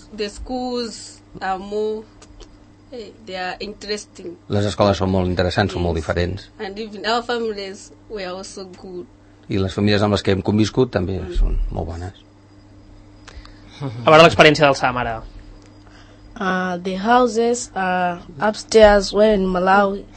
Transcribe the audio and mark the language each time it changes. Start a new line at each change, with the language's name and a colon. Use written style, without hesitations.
English: The schools are more, they are interesting.
Catalan: Les escoles són molt interessants, yes, són molt diferents.
English: And even our families were also good.
Catalan: I les famílies amb les que hem conviscut també són molt bones. A veure l'experiència del Sam ara.
English: The houses are upstairs where in Malawi.